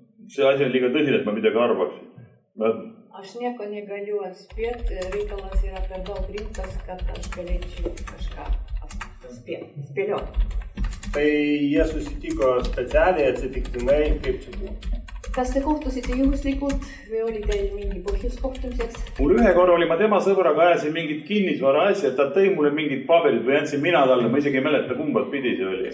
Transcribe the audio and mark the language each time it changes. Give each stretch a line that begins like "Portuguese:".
Estonian: See asja on liiga tõsine, et ma midagi arvaksin.
Lithuanian: Aš nieko negaliu atspėt, reikalas yra per daug rimtas, kad aš galėčiau kažką spėliot. Tai jie susitiko specialiai, atsitiktinai, kaip čia buvo?
Estonian: Kas te kohtusite juhuslikult või olite mingi põhjus kohtumiseks? Mul ühe korra oli ma tema sõbra kajasi mingit kinnisvara asja, ta tõi mulle mingit paperit või jäänsin mina talle, ma isegi ei mäleta kumbalt pidi see oli.